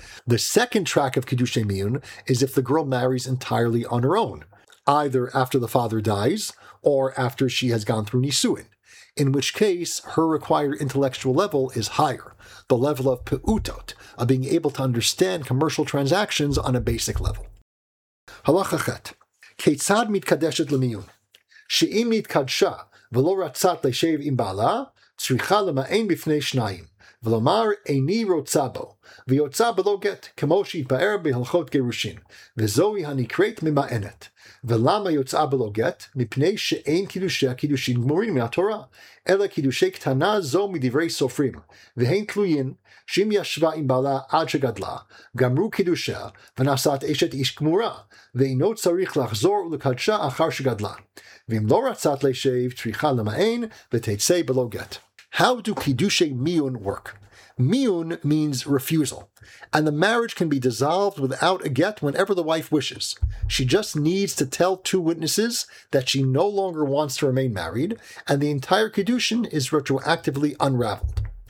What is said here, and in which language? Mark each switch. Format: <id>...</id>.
<en>The second track of kiddushei miyun is if the girl marries entirely on her own, either after the father dies or after she has gone through nisuin, in which case her required intellectual level is higher, the level of pe'utot, of being able to understand commercial transactions on a basic level.</en> <he>Halacha chet, keitzad mitkadeshet lemiyun, she'im nitkadsha, ולא רצת לשב עם בעלה, צריכה למען בפני שניים, ולומר איני רוצה בו, ויוצא בלא גט, כמו שהתבאר בהלכות גירושין, וזוהי הנקראת ממענת. ולמה יוצא בלא גט? מפני שאין קידושי הקידושין גמורים מהתורה, אלא קידושי קטנה זו מדברי סופרים, והן תלויין, שאם ישבה עם בעלה עד שגדלה, גמרו קידושיה, ונעשת אשת איש גמורה, ואינו צריך לחזור ולקדשה אחר שגדלה. ואם לא רצת לשב, צריכה למען, ותצא בלא גט.</he> <en>How do kiddushei miyun work? Miyun means refusal, and the marriage can be dissolved without a get whenever the wife wishes. She just needs to tell two witnesses that she no longer wants to remain married, and the entire kiddushin is retroactively unraveled.</en>